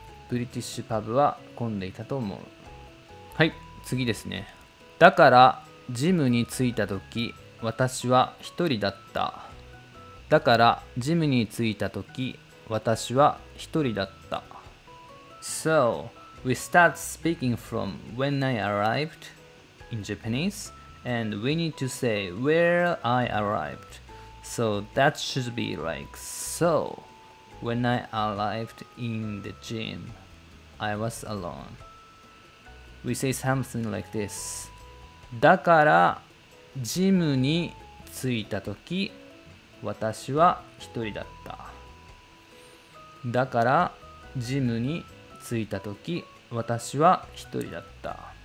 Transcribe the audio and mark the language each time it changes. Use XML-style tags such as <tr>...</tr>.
<ja>ブリティッシュパブは混んでいたと思う。はい、次ですね。だからジムに着いた時、私は一人だった。だからジムに着いた時、私は一人だった。</ja> <en>So, we start speaking from when I arrived in Japanese, and we need to say where I arrived. So that should be like so. When I arrived in the gym, I was alone. We say something like this.</en> <ja>だからジムに着いたとき、私は一人だった。だからジムに着いたとき、私は一人だった。</ja>